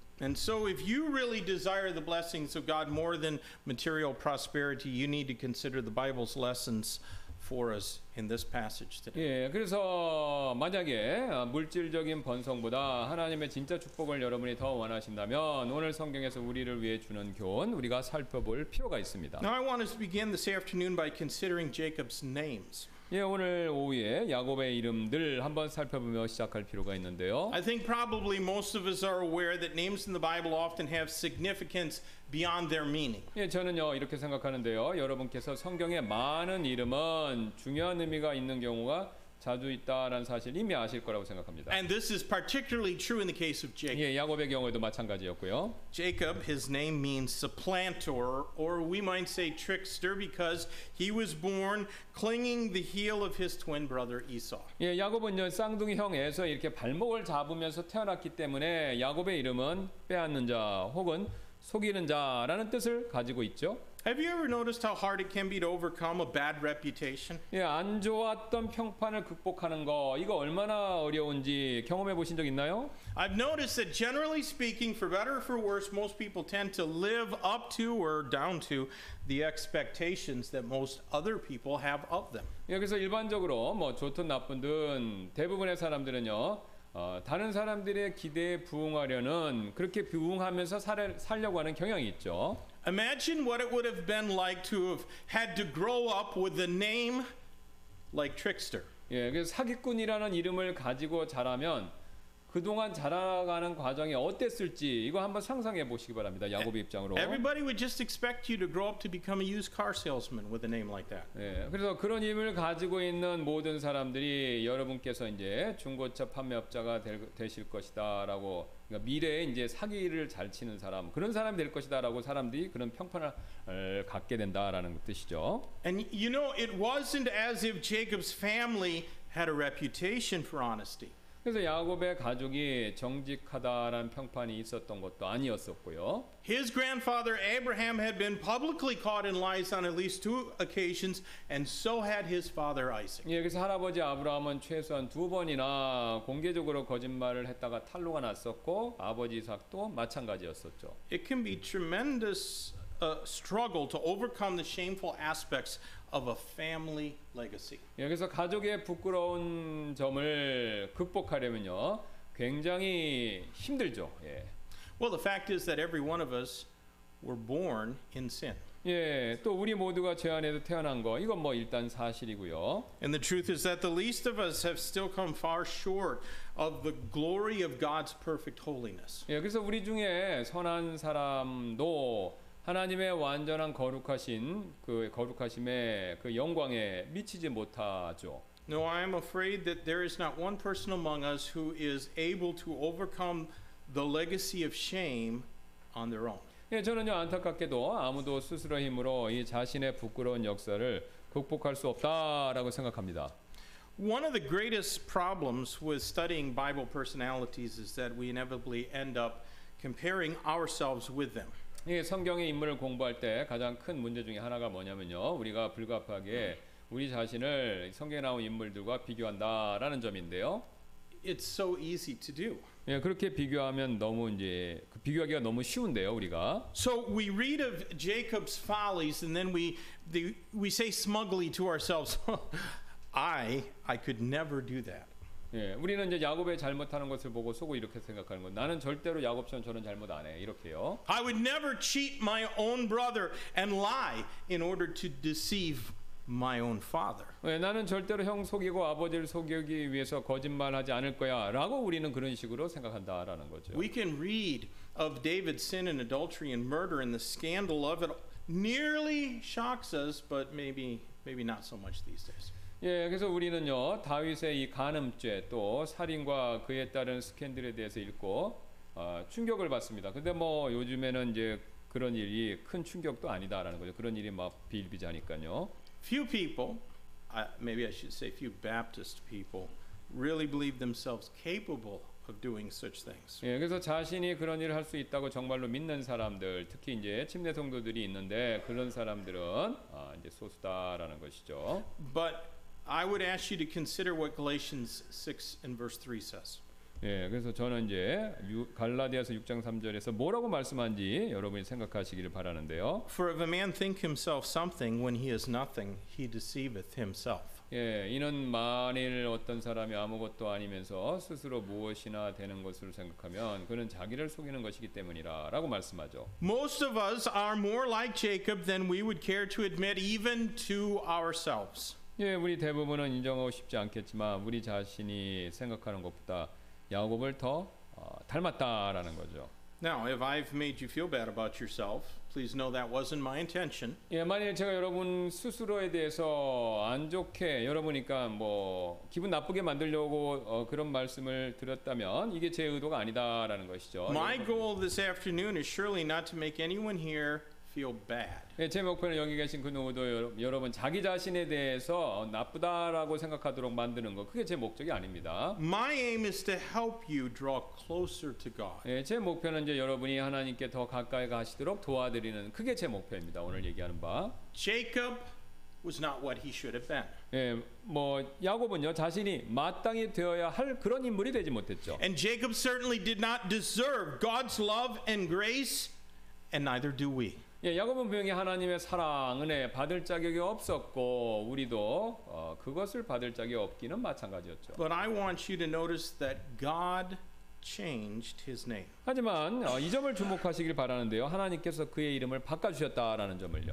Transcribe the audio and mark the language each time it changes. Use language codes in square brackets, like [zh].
[en] And so if you really desire the blessings of God more than material prosperity, you need to consider the Bible's lessons for us in this passage today. [ko] 예, 그래서 만약에 물질적인 번성보다 하나님의 진짜 축복을 여러분이 더 원하신다면 오늘 성경에서 우리를 위해 주는 교훈 우리가 살펴볼 필요가 있습니다. [en] Now I want us to begin this afternoon by considering Jacob's names. [ko] 예, 오늘 오후에 야곱의 이름들 한번 살펴보며 시작할 필요가 있는데요. [en] I think probably most of us are aware that names in the Bible often have significance beyond their meaning. [ko] 예, 저는요 이렇게 생각하는데요. 여러분께서 성경에 많은 이름은 중요한 의미가 있는 경우가 자주 있다라는 사실 이미 아실 거라고 생각합니다. [en] And this is particularly true in the case of Jacob. [ko] 예, 야곱의 경우에도 마찬가지였고요. [en] Jacob, his name means supplanter, or we might say trickster, because he was born clinging the heel of his twin brother Esau. [ko] 예, 야곱은요 쌍둥이 형에서 이렇게 발목을 잡으면서 태어났기 때문에 야곱의 이름은 빼앗는 자 혹은 속이는 자라는 뜻을 가지고 있죠. [en] Have you ever noticed how hard it can be to overcome a bad reputation? [ko] 예, 안 좋았던 평판을 극복하는 거 이거 얼마나 어려운지 경험해 보신 적 있나요? [en] I've noticed that generally speaking, for better or for worse, most people tend to live up to or down to the expectations that most other people have of them. [ko] 예, 그래서 일반적으로 뭐 좋든 나쁜든 대부분의 사람들은요. 다른 사람들의 기대에 부응하려는 그렇게 부응하면서 살려고 하는 경향이 있죠. [en] Imagine what it would have been like to have had to grow up with a name like trickster. [ko] 예, 그래서 사기꾼이라는 이름을 가지고 자라면 그동안 자라가는 과정이 어땠을지 이거 한번 상상해 보시기 바랍니다. 야곱의 입장으로. [en] Everybody would just expect you to grow up to become a used car salesman with a name like that. [ko] 예. 그래서 그런 이름을 가지고 있는 모든 사람들이 여러분께서 이제 중고차 판매업자가 되실 것이다라고 그러니까 미래에 이제 사기를 잘 치는 사람 그런 사람이 될 것이다라고 사람들이 그런 평판을 갖게 된다라는 뜻이죠. [en] And you know it wasn't as if Jacob's family had a reputation for honesty. [ko] 그래서 야곱의 가족이 정직하다라는 평판이 있었던 것도 아니었었고요. [en] His grandfather Abraham had been publicly caught in lies on at least two occasions, and so had his father Isaac. [ko] 예, 그래서 할아버지 아브라함은 최소한 두 번이나 공개적으로 거짓말을 했다가 탈로가 났었고 아버지 이삭도 마찬가지였었죠. [en] It can be tremendous struggle to overcome the shameful aspects of a family legacy. [ko] 여기서 가족의 부끄러운 점을 극복하려면요, 굉장히 힘들죠. 예. [en] Well, the fact is that every one of us were born in sin. [ko] 예, 또 우리 모두가 죄 안에서 태어난 거, 이건 뭐 일단 사실이고요. [en] And the truth is that the least of us have still come far short of the glory of God's perfect holiness. [ko] 예, 그래서 우리 중에 선한 사람도 하나님의 완전한 거룩하신 그 거룩하심의 그 영광에 미치지 못하죠. [en] No, I am afraid that there is not one person among us who is able to overcome the legacy of shame on their own. [ko] 예, 저는요 안타깝게도 아무도 스스로 힘으로 이 자신의 부끄러운 역사를 극복할 수 없다라고 생각합니다. [en] One of the greatest problems with studying Bible personalities is that we inevitably end up comparing ourselves with them. [ko] 예, 성경의 인물을 공부할 때 가장 큰 문제 중에 하나가 뭐냐면요, 우리가 불가피하게 우리 자신을 성경에 나온 인물들과 비교한다라는 점인데요. [en] It's so easy to do. [ko] 예, 그렇게 비교하면 너무 이제 그 비교하기가 너무 쉬운데요, 우리가. [en] So we read of Jacob's follies and then we say smugly to ourselves, I could never do that. [ko] 예, 우리는 이제 야곱의 잘못하는 것을 보고 속으로 이렇게 생각하는 거예요. 나는 절대로 야곱처럼 저런 잘못 안 해. 이렇게요. [en] I would never cheat my own brother and lie in order to deceive my own father. [ko] 예, 나는 절대로 형 속이고 아버지를 속이기 위해서 거짓말하지 않을 거야라고 우리는 그런 식으로 생각한다라는 거죠. [en] We can read of David's sin and adultery and murder and the scandal of it nearly shocks us, but maybe not so much these days. [ko] 예, 그래서 우리는요 다윗의 이 간음죄 또 살인과 그에 따른 스캔들에 대해서 읽고 충격을 받습니다. 근데 뭐 요즘에는 이제 그런 일이 큰 충격도 아니다라는 거죠. 그런 일이 막 비일비재하니까요. [en] Few people, maybe I should say few Baptist people, really believe themselves capable of doing such things. [ko] 예, 그래서 자신이 그런 일을 할 수 있다고 정말로 믿는 사람들, 특히 이제 침례 성도들이 있는데 그런 사람들은 이제 소수다라는 것이죠. [en] But I would ask you to consider what Galatians 6 and verse 3 says. [ko] 예, 그래서 저는 이제 갈라디아서 6장 3절에서 뭐라고 말씀한지 여러분이 생각하시기를 바라는데요. [en] For if a man think himself something when he is nothing, he deceiveth himself. [ko] 예, 이는 만일 어떤 사람이 아무것도 아니면서 스스로 무엇이나 되는 것으로 생각하면 그는 자기를 속이는 것이기 때문이라라고 말씀하죠. [en] Most of us are more like Jacob than we would care to admit even to ourselves. [ko] 예, 우리 대부분은 인정하고 싶지 않겠지만 우리 자신이 생각하는 것보다 야곱을 더 닮았다라는 거죠. [en] Now, if I've made you feel bad about yourself, please know that wasn't my intention. [ko] 예, 만약에 제가 여러분 스스로에 대해서 안 좋게 여러분이니까 뭐 기분 나쁘게 만들려고 그런 말씀을 드렸다면 이게 제 의도가 아니다라는 것이죠. [en] My goal this afternoon is surely not to make anyone here feel bad. [ko] 예, 제 목표는 여기 계신 그 누구도 여러분 자기 자신에 대해서 나쁘다라고 생각하도록 만드는 거 그게 제 목적이 아닙니다. [en] My aim is to help you draw closer to God. [ko] 예, 제 목표는 이제 여러분이 하나님께 더 가까이 가시도록 도와드리는 그게 제 목표입니다. 오늘 얘기하는 바. [en] Jacob was not what he should have been. [ko] 예, 뭐 야곱은요 자신이 마땅히 되어야 할 그런 인물이 되지 못했죠. [en] And Jacob certainly did not deserve God's love and grace, and neither do we. [ko] 예, 야곱은 분명히 하나님의 사랑, 은혜 받을 자격이 없었고 우리도 그것을 받을 자격이 없기는 마찬가지였죠. [en] But I want you to notice that God changed his name. [ko] 하지만 이 점을 주목하시길 바라는데요. 하나님께서 그의 이름을 바꿔주셨다라는 점을요.